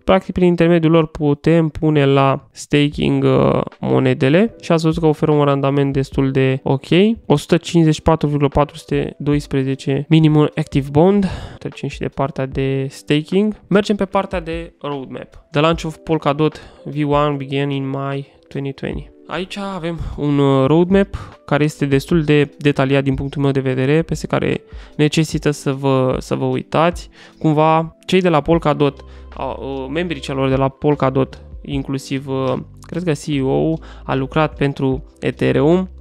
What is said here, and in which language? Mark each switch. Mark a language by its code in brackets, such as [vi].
[ro] Practic, prin intermediul lor putem pune la staking monedele și ați văzut că oferă un randament destul de ok. [en] 154,412 minimum active bond. [ro] Trecem și de partea de staking. Mergem pe partea de roadmap. [en] The launch of Polkadot V1 began in May 2020. [ro] Aici avem un roadmap care este destul de detaliat din punctul meu de vedere, peste care necesită să vă uitați. Cumva cei de la Polkadot, membrii celor de la Polkadot, inclusiv cred că CEO, a lucrat pentru Ethereum.